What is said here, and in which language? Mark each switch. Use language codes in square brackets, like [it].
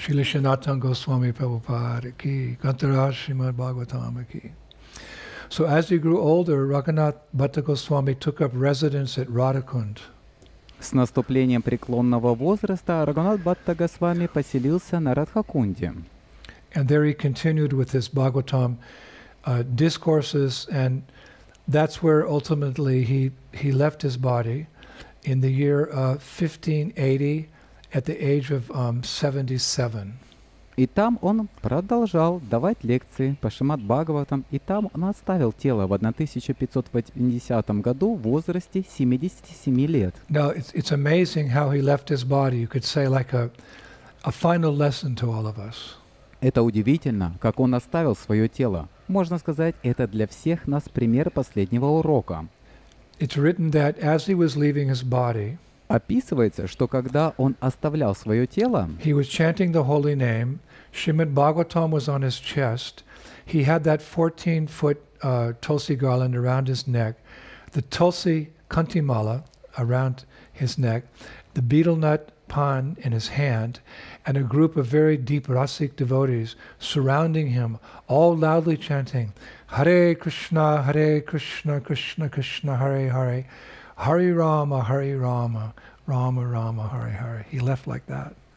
[en] Śrīla Sanatana Goswami Prabhupada ki, Gantara Srimad Bhagavatam ki. So as he grew older, Raghunath Bhatta Goswami took up residence at Radhakund. [ru] С наступлением преклонного возраста Рагхунат Бхатта Госвами поселился на Радхакунде. [en] And there he continued with his Bhagavatam discourses, and that's where ultimately he left his body in the year 1580 at the age of 77. [ru] И там он продолжал давать лекции по Шримад Бхагаватам, и там он оставил тело в 1580 году в возрасте 77 лет. [en] Now it's amazing how he left his body. You could say like a final lesson to all of us. [ru] Это удивительно, как он оставил свое тело. Можно сказать, это для всех нас пример последнего урока. [en] It's written that as he was leaving his body, [ru] описывается, что когда он оставлял свое тело, [en] he was chanting the holy name, Shrimad Bhagavatam was on his chest, he had that 14-foot tulsi garland around his neck, the tulsi kantimala around his neck, the betel nut pan in his hand, and a group of very deep rasic devotees surrounding him, all loudly chanting, Hare Krishna, Krishna Krishna, Hare Hare, Hare Rama, Rama Rama, Hare Hare. He left like that.